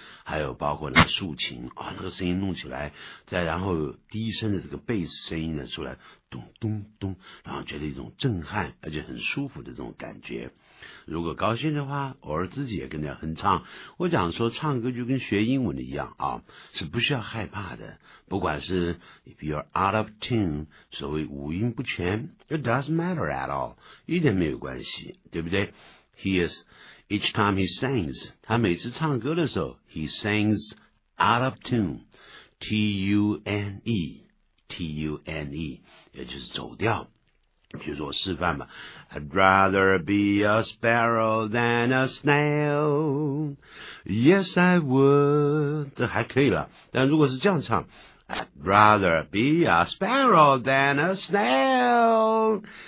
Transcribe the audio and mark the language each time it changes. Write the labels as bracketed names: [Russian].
[Chinese] 还有包括那个竖琴啊、哦，那个声音弄起来，再然后低声的这个贝斯声音呢出来，咚咚咚，然后觉得一种震撼，而且很舒服的这种感觉。如果高兴的话，偶尔自己也跟着哼唱。我讲说唱歌就跟学英文的一样啊，是不需要害怕的。 [English] 不管是 if you're out of tune，所谓五音不全，it doesn't matter at all，一点没有关系，对不对？He is each time he sings，他每次唱歌的时候，he sings out of tune，也就是走调。就是我示范吧 I'd rather be a sparrow than a snail Yes I would 这还可以了但如果是这样唱 I'd rather be a sparrow than a snail